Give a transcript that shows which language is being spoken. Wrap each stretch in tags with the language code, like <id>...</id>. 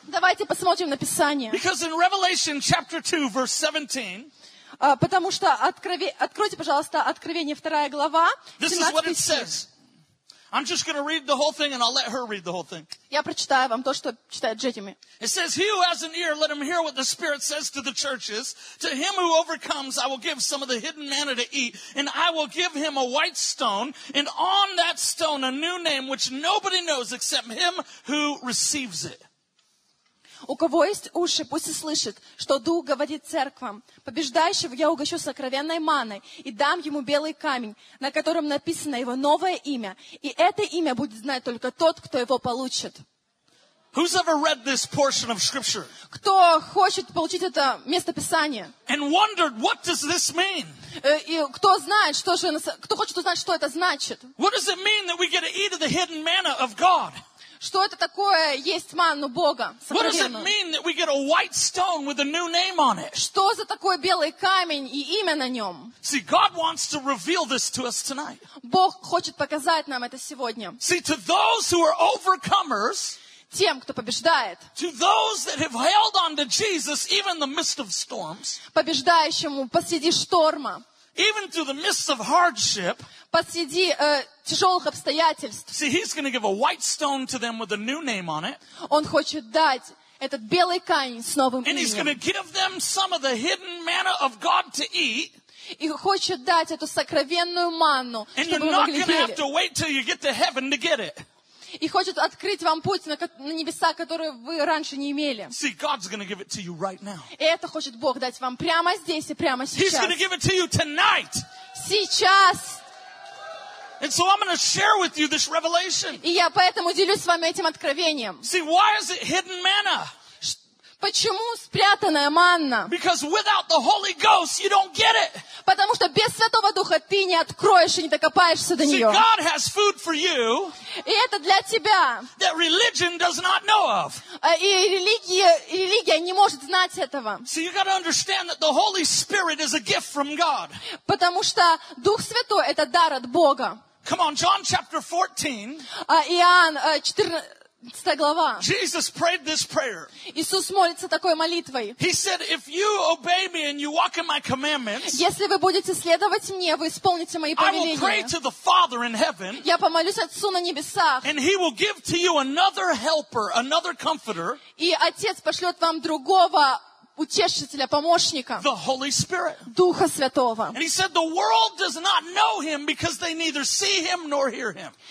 <ru>Давайте посмотрим на Писание.</ru> <en>Because in Revelation chapter 2, verse 17.</en> <ru>Потому что откройте, пожалуйста, Откровение 2 глава.</ru> <en>This is what it says. I'm just going to read the whole thing, and I'll let her read the whole thing.</en> <ru>Я прочитаю вам то, что читает Джереми.</ru> <en>It says, "He who has an ear, let him hear what the Spirit says to the churches. To him who overcomes, I will give some of the hidden manna to eat, and I will give him a white stone, and on that stone a new name, which nobody knows except him who receives it."</en> <ru>У кого есть уши, пусть и слышит, что Дух говорит церквам. Побеждающего я угощу сокровенной маной и дам ему белый камень, на котором написано его новое имя. И это имя будет знать только тот, кто его получит.</ru> <en>Who's ever read this portion of scripture?</en> <ru>Кто хочет получить это место Писания?</ru> <en>And wondered, what does this mean?</en> <ru>И кто знает, что же, кто хочет узнать, что это значит?</ru> <en>What does it mean that we get to eat of the hidden manna of God?</en> <ru>Что это такое есть манну Бога?</ru> <en>What does it mean that we get a white stone with a new name on it?</en> <ru>Что за такой белый камень и имя на нем?</ru> <en>See, God wants to reveal this to us tonight.</en> <ru>Бог хочет показать нам это сегодня.</ru> <en>See, to those who are overcomers,</en> <ru>тем, кто побеждает,</ru> <en>to those that have held on to Jesus even in the midst of storms,</en> <ru>побеждающему посреди шторма,</ru> <en>even through the midst of hardship,</en> <ru>посреди тяжелых обстоятельств.</ru> <en>See, he's going to give a white stone to them with a new name on it.</en> <ru>Он хочет дать этот белый камень с новым именем.</ru> <en>And he's going to give them some of the hidden manna of God to eat.</en> <ru>И хочет дать эту сокровенную манну, чтобы вы могли есть.</ru> <en>And you're not going to have to wait till you get to heaven to get it.</en> <ru>И хочет открыть вам путь на небеса, которые вы раньше не имели.</ru> <en>See, God's going to give it to you right now.</en> <ru>И это хочет Бог дать вам прямо здесь и прямо сейчас.</ru> <en>He's going to give it to you tonight.</en> <ru>Сейчас.</ru> <en>And so I'm going to share with you this revelation.</en> <ru>И я поэтому делюсь с вами этим откровением.</ru> <en>See, why is it hidden manna?</en> <ru>Почему спрятанная манна?</ru> <en>Because without the Holy Ghost, you don't get it.</en> <ru>Потому что без Святого Духа ты не откроешь и не докопаешься до нее.</ru> <en>See, God has food for you.</en> <ru>И это для тебя.</ru> <en>That religion does not know of.</en> <ru>И религия не может знать этого.</ru> <en>So you got to understand that the Holy Spirit is a gift from God.</en> <ru>Потому что Дух Святой это дар от Бога.</ru> <en>Come on, John chapter 14.</en> <ru>Иоанн 14.</ru> <en>Jesus prayed this prayer.</en> <ru>Иисус молится такой молитвой.</ru> <en>He said, "If you obey me and you walk in my commandments,</en> <ru>если вы будете следовать мне, вы исполните мои повеления.</ru> <en>I will pray to the Father in heaven.</en> <ru>Я помолюсь Отцу на небесах.</ru> <en>And He will give to you another Helper, another Comforter.</en> <ru>И Отец пошлет вам другого утешителя, помощника.</ru> <en>The Holy Spirit.</en> <ru>Духа Святого.</ru> <en>And He said, "The world does not know Him because they neither see Him nor hear Him."</en>